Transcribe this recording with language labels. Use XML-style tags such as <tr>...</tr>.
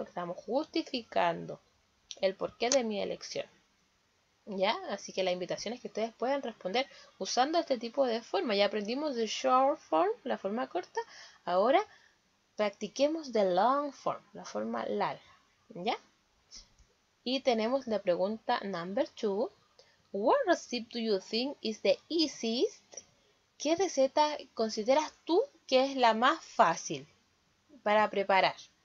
<es>Estamos justificando el porqué de mi elección, ¿ya? Así que la invitación es que ustedes puedan responder usando este tipo de forma. Ya aprendimos de short form, la forma corta. Ahora practiquemos de long form, la forma larga, ¿ya? Y tenemos la pregunta</es> <en>number two. What recipe do you think is the easiest?</en> <es>¿Qué receta consideras tú que es la más fácil para preparar?</es>